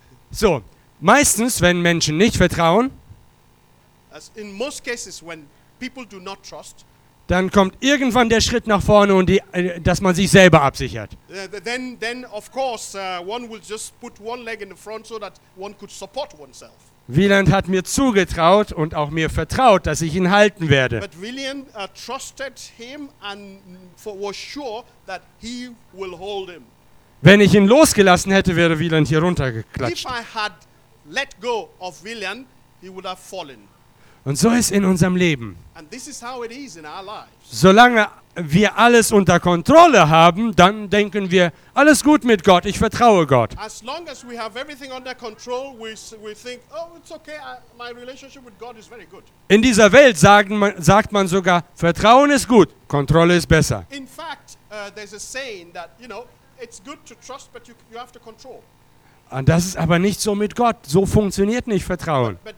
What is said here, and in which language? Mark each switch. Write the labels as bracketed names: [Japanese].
[German] So, meistens, wenn Menschen nicht vertrauen, [English] as in most cases, when people do not trust, [German] dann kommt irgendwann der Schritt nach vorne und dass man sich selber absichert. [English] Then of course one will just put one leg in the front so that one could support oneself. [German] Wieland hat mir zugetraut und auch mir vertraut, dass ich ihn halten werde. [English] But Wieland trusted him and was sure that he will hold him. [German] Wenn ich ihn losgelassen hätte, wäre Wieland hier runtergeklatscht. [English] If I had let go of Wieland, he would have fallen. [German] Und so ist in unserem Leben. [English] And this is how it is in our lives. [German] Solange wir alles unter Kontrolle haben, dann denken wir, alles gut mit Gott, ich vertraue Gott. [English] As long as we have everything under control, we think, oh, it's okay, my relationship with God is very good. [German] In dieser Welt sagt man sogar, Vertrauen ist gut, Kontrolle ist besser. [English] In fact, there's a saying that, you know, it's good to trust, but you have to control. [German] Und das ist aber nicht so mit Gott. So funktioniert nicht Vertrauen.